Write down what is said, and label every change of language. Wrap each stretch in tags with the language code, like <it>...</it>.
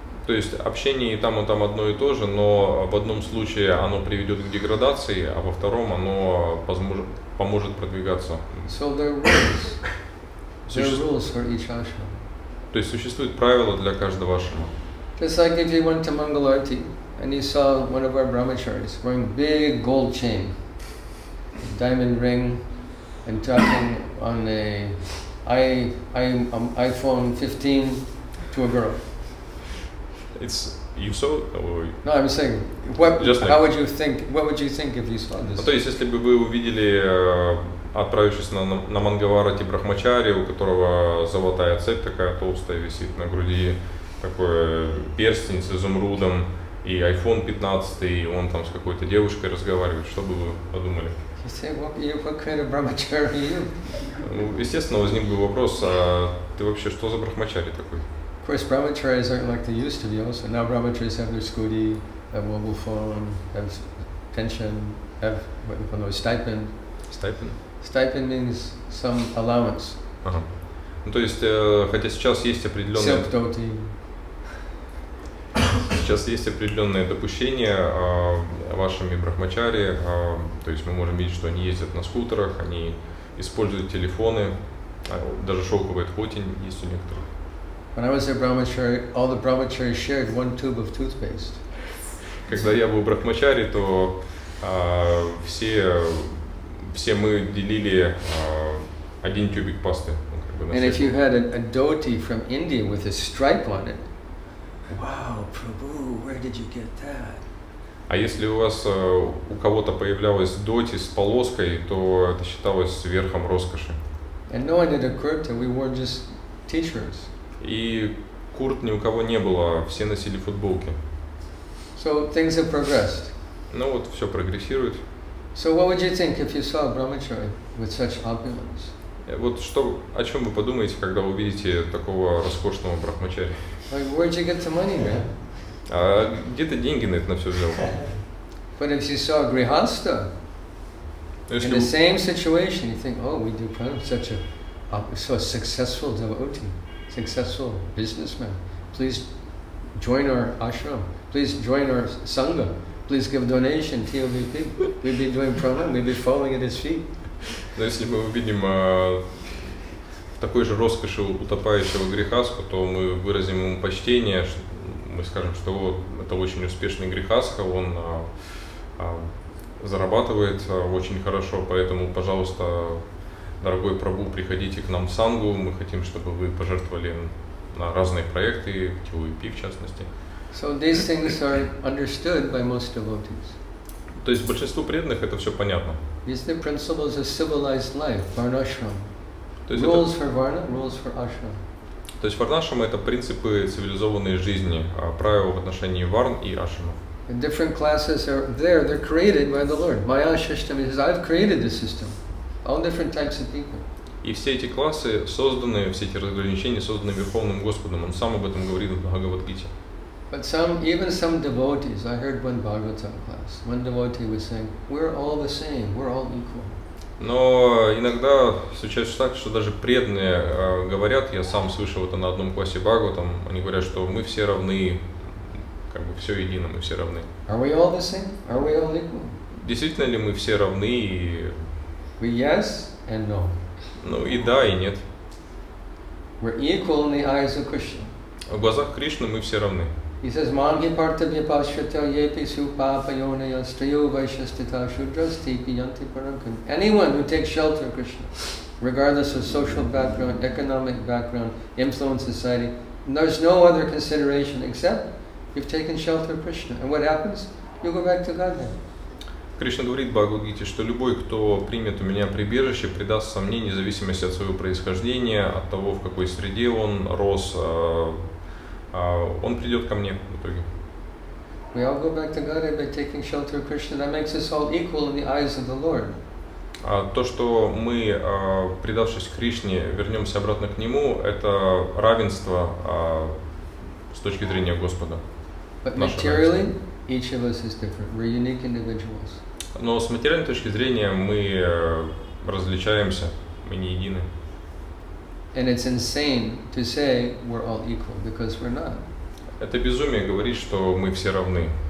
<ru>То есть общение и там одно и то же, но в одном случае оно приведет к деградации, а во втором оно поможет продвигаться.</ru> <en>So there are rules. There are rules for each ashram.</en> <ru>То есть существуют правила для каждого ашрама.</ru> <en>Just like if you went to Mangalarti and you saw one of our brahmacharis wearing big gold chain, diamond ring, and talking on a iPhone 15 to a girl. It's you saw? No, I'm saying, how would you think? What would you think if you saw this?</en> <ru>То есть если бы вы увидели отправившись на Мангаварати брахмачари, у которого золотая цепь такая толстая висит на груди, такой перстень с изумрудом и iPhone 15, и он там с какой-то девушкой разговаривает, что бы вы подумали? Ну, естественно, возник бы вопрос, а ты вообще что за брахмачари такой?</ru> <en>Of course, brahmacharis aren't like they used to be also. Now brahmacharis have their scooty, have mobile phone, have pension, have what you call it, stipend. Stipend? Stipend means some allowance.</en> <ru>Ага. Ну, то есть, хотя сейчас есть определенные...</ru> <en>Self-doty.</en> <ru>Сейчас есть определенные допущения вашими брахмачари. То есть, мы можем видеть, что они ездят на скутерах, они используют телефоны. Даже шелковый хотень есть у некоторых.</ru> <en>When I was a brahmachari, all the brahmachari shared one tube of toothpaste.</en> <ru>Когда я был брахмачари, то все... Все мы делили один тюбик пасты.</ru> <en>And if you had a dhoti from India with a stripe on it, wow, Prabhu, where did you get that?</en> <ru>А если у вас у кого-то появлялась дхоти с полоской, то это считалось верхом роскоши.</ru> <en>And no one had a kurta, we wore just t-shirts.</en> <ru>И курт ни у кого не было, все носили футболки.</ru> <en>So things have progressed.</en> <ru>Ну вот, все прогрессирует.</ru> <en>So what would you think if you saw a brahmachari with such opulence?</en> <ru>Вот что, о чем вы подумаете, когда увидите такого роскошного брахмачари?</ru> <en>Like, where'd you get the money, man?</en> <ru>А где ты деньги на это на все взял?</ru> <en>But if you saw a grihastha in the same situation, you think, oh, we do such a so successful devotee, successful businessman. Please join our ashram. Please join our sangha. Please give donation to TLVP. We'll be doing pranam, we'll be following at his feet.</en> <ru>Но если мы увидим такой же роскоши утопающего грехаску, то мы выразим ему почтение, мы скажем, что это очень успешный грехаска, он зарабатывает очень хорошо, поэтому, пожалуйста, дорогой Прабу, приходите к нам в сангу, мы хотим, чтобы вы пожертвовали на разные проекты, TOEP в частности.</ru> <en>So these things are understood by most devotees.</en> <ru>То есть большинству преданных это все понятно.</ru> <en>These are principles of civilized life, varnashram. Rules for varna, rules for ashram.</en> <ru>То есть варнашрама это принципы цивилизованной жизни, правила в отношении варн и ашрамов.</ru> <en>Different classes are there, they're created by the Lord. Maya system is I've created the system. All different types of people.</en> <ru>И все эти классы созданы, все эти разграничения созданы Верховным Господом. Он сам об этом говорит в Бхагавад-гите.</ru> <en>But some, even some devotees, I heard one Bhagavatam class, one devotee was saying, we're all the same, we're all equal.</en> <ru>Но иногда случается так, что даже преданные говорят, я сам слышал это на одном классе Бхагаватам, они говорят, что мы все равны, как бы все едино, мы все равны.</ru> <en>Are we all the same? Are we all equal?</en> <ru>Действительно ли мы все равны?</ru> <en>We yes and no.</en> <ru>Ну и да, и нет.</ru> <en>We're equal in the eyes of Krishna.</en> <ru>В глазах Кришны мы все равны.</ru> <en>He says,</en> <sa>"Mangi parta vipashyata yepi supa payone yastriyo vaishastita shudras tipi yanti parankun."</sa> <en>Anyone who takes shelter of Krishna, regardless of social background, economic background, influence society, there's no other consideration except you've taken shelter of Krishna. And what happens? You go back to Godhead.</en> <ru>Кришна говорит в Бхагавад-гите, что любой, кто примет у меня прибежище, предастся мне, вне зависимости от своего происхождения, от того, в какой среде он рос, он придет ко мне в итоге.</ru> <en>We all go back to Godhead by taking shelter of Krishna. That makes us all equal in the eyes of the Lord.</en> <ru>То, что мы, предавшись Кришне, вернемся обратно к Нему, это равенство с точки зрения Господа.</ru> <en>But materially, each of us is different. We're unique individuals.</en> <ru>Но с материальной точки зрения мы различаемся, мы не едины.</ru> <en>And it's insane to say we're all equal, because we're not.</en> <ru>Это безумие говорить, что мы все равны.</ru>